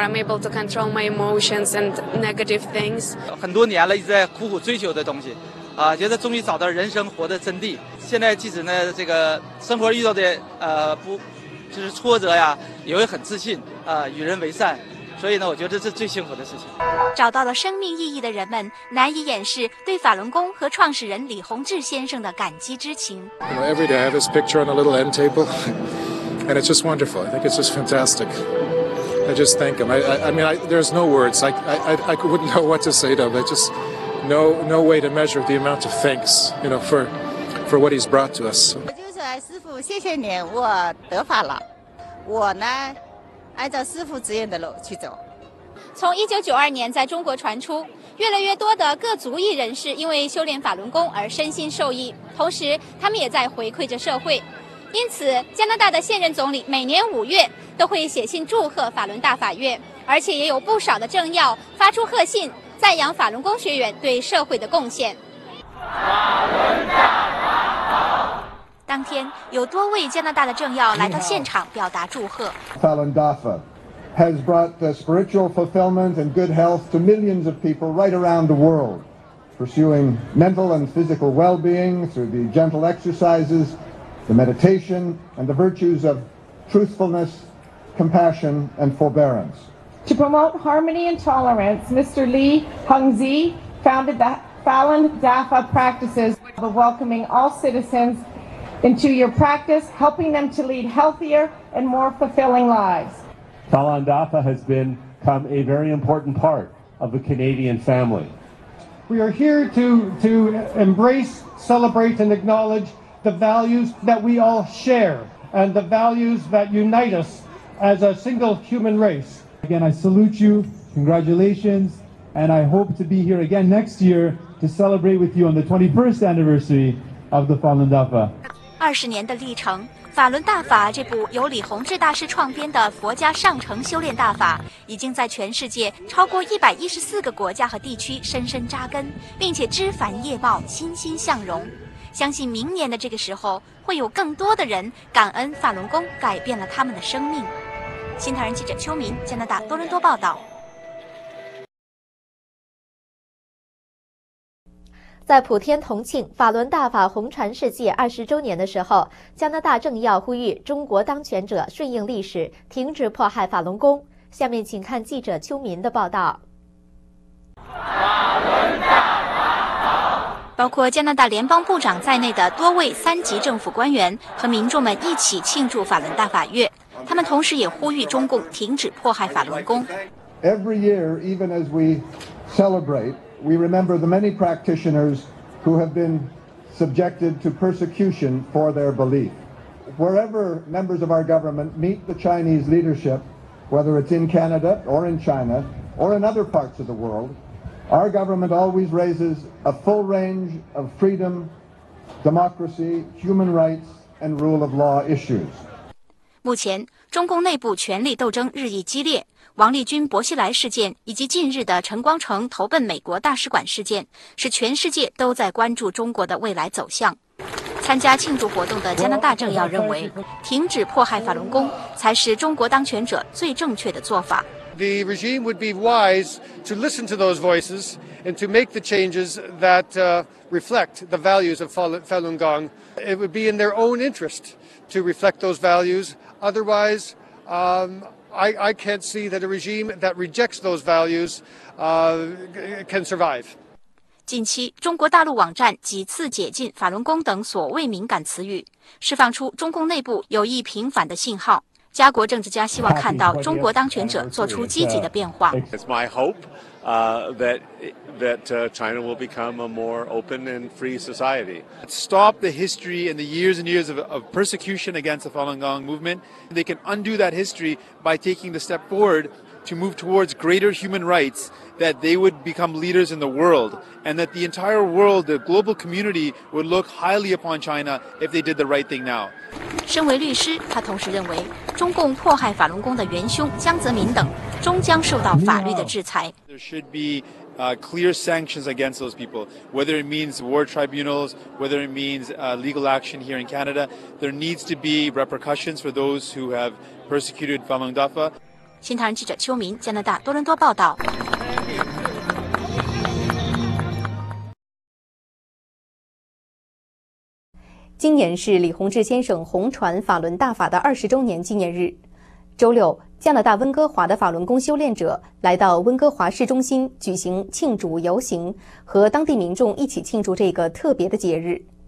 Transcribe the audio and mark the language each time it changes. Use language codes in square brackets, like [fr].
[en] I'm able to control my emotions and negative things. [zh] 很多年了，一直在苦苦追求的东西。啊，觉得终于找到人生活的真谛。现在即使呢，这个生活遇到的不，就是挫折呀，也会很自信啊，与人为善。所以呢，我觉得这是最幸福的事情。找到了生命意义的人们，难以掩饰对法轮功和创始人李洪志先生的感激之情。 [en] You know, every day I have this picture on a little end table, and it's just wonderful. I think it's just fantastic. I just thank him. I mean, there's no words. I wouldn't know what to say to him. No way to measure the amount of thanks, you know, for what he's brought to us. [zh] 我就说，师父，谢谢你，我得法了。我呢，按照师父指引的路去走。从1992年在中国传出，越来越多的各族裔人士因为修炼法轮功而身心受益，同时他们也在回馈着社会。因此，加拿大的现任总理每年五月都会写信祝贺法轮大法月，而且也有不少的政要发出贺信。赞扬法轮功学员对社会的贡献。法轮大法好！当天有多位加拿大的政要来到现场表达祝贺。 [en] 法轮大法 has brought the spiritual fulfillment and good health to millions of people right around the world. Pursuing mental and physical well-being through the gentle exercises, the meditation, and the virtues of truthfulness, compassion, and forbearance. To promote harmony and tolerance, Mr. Li Hongzhi founded the Falun Dafa practices of welcoming all citizens into your practice, helping them to lead healthier and more fulfilling lives. Falun Dafa has become a very important part of the Canadian family. We are here to embrace, celebrate, and acknowledge the values that we all share and the values that unite us as a single human race. Again, I salute you, congratulations, and I hope to be here again next year to celebrate with you on the 21st anniversary of the Falun Dafa. [zh] 20年的历程，法轮大法这部由李洪志大师创编的佛家上乘修炼大法，已经在全世界超过114个国家和地区深深扎根，并且枝繁叶茂，欣欣向荣。相信明年的这个时候，会有更多的人感恩法轮功改变了他们的生命。新唐人记者邱明，加拿大多伦多报道。在普天同庆法轮大法红传世纪20周年的时候，加拿大政要呼吁中国当权者顺应历史，停止迫害法轮功。下面请看记者邱民的报道。法轮大法好。包括加拿大联邦部长在内的多位三级政府官员和民众们一起庆祝法轮大法月，他们同时也呼吁中共停止迫害法轮功。 [en] Every year, even as we celebrate, we remember the many practitioners who have been subjected to persecution for their belief. Wherever members of our government meet the Chinese leadership, whether it's in Canada or in China or in other parts of the world, our government always raises a full range of freedom, democracy, human rights, and rule of law issues. [zh] 目前，中共内部权力斗争日益激烈。王立军薄熙来事件以及近日的陈光诚投奔美国大使馆事件，使全世界都在关注中国的未来走向。参加庆祝活动的加拿大政要认为，停止迫害法轮功才是中国当权者最正确的做法。 [en] The regime would be wise to listen to those voices and to make the changes that reflect the values of Falun Gong. It would be in their own interest to reflect those values. Otherwise, I can't see that a regime that rejects those values can survive. [zh] 近期，中国大陆网站几次解禁法轮功等所谓敏感词语，释放出中共内部有意平反的信号。家国政治家希望看到中国当权者做出积极的变化。 [en] It's my hope that China will become a more open and free society. Stop the history and the years and years of persecution against the Falun Gong movement. They can undo that history by taking the step forward to move towards greater human rights, that they would become leaders in the world, and that the entire world, the global community, would look highly upon China if they did the right thing now. [zh] 身为律师，他同时认为中共迫害法轮功的元凶江泽民等终将受到法律的制裁。 [en] There should be clear sanctions against those people, whether it means war tribunals, whether it means legal action here in Canada. There needs to be repercussions for those who have persecuted Falun Dafa. [zh] 新唐人记者邱民，加拿大多伦多报道。今年是李洪志先生红传法轮大法的20周年纪念日。周六，加拿大温哥华的法轮功修炼者来到温哥华市中心举行庆祝游行，和当地民众一起庆祝这个特别的节日。